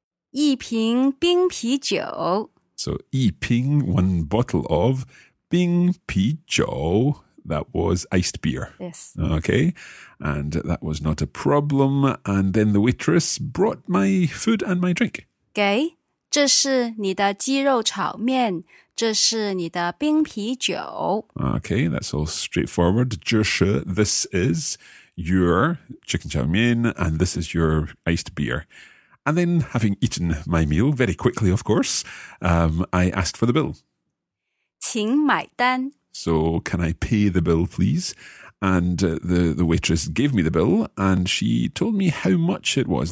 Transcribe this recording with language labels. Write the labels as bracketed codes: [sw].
[zh] 一瓶冰啤酒. [en] So [zh] 一瓶, [en] one bottle of [zh] 冰啤酒. [en] That was iced beer. Yes. Okay. And that was not a problem. And then the waitress brought my food and my drink. [zh] 给，这是你的鸡肉炒面，这是你的冰啤酒。 [en] Okay, that's all straightforward. [zh] 这是, [en] this is your chicken 炒面, and this is your iced beer. And then having eaten my meal very quickly, of course, I asked for the bill. [zh] 请买单。 [en] So can I pay the bill, please? And the waitress gave me the bill and she told me how much it was.